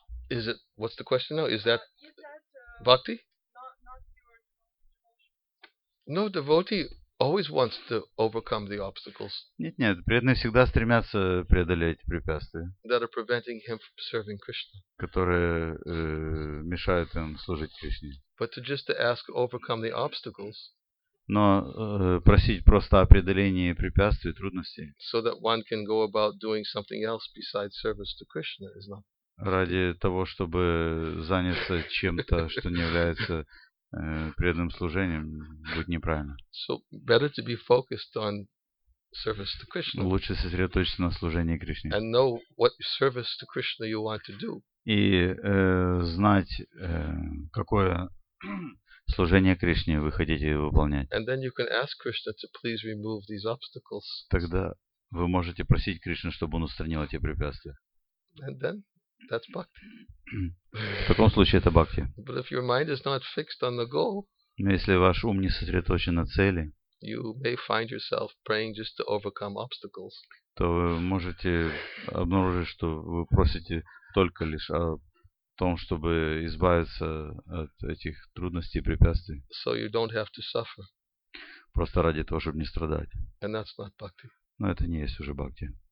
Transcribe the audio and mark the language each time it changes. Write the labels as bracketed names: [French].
[English] Is it, what's the question now? Is that, is that bhakti? Not no, devotee always wants to overcome the obstacles. [Russian] Нет, нет, преданные всегда стремятся преодолеть препятствия. [English] That are preventing him from serving Krishna. [Russian] Которые мешают им служить Кришне. [English] But to just to ask overcome the obstacles. [Russian] Но просить просто о преодолении препятствий и трудностей. [English] So that one can go about doing something else besides service to Krishna is not. [Russian] Ради того, чтобы заняться чем-то, что не является преданным служением, будет неправильно. [English] So better to be focused on service to Krishna. [Russian] Лучше сосредоточиться на служении Кришне. [English] And know what service to Krishna you want to do. [Russian] И знать, какое служение Кришне вы хотите выполнять. [English] And then you can ask Krishna to please remove these obstacles. [Russian] Тогда вы можете просить Кришну, чтобы он устранил эти препятствия. [English] And then that's bhakti. [Russian] В таком случае это бхакти. [English] But if your mind is not fixed on the goal, [Russian] но если ваш ум не сосредоточен на цели, [English] you may find yourself praying just to overcome obstacles. [Russian] То вы можете обнаружить, что вы просите только лишь о том, чтобы избавиться от этих трудностей и препятствий. [English] So you don't have to suffer. [Russian] Просто ради того, чтобы не страдать. [English] And that's not bhakti. [Russian] Но это не есть уже бхакти.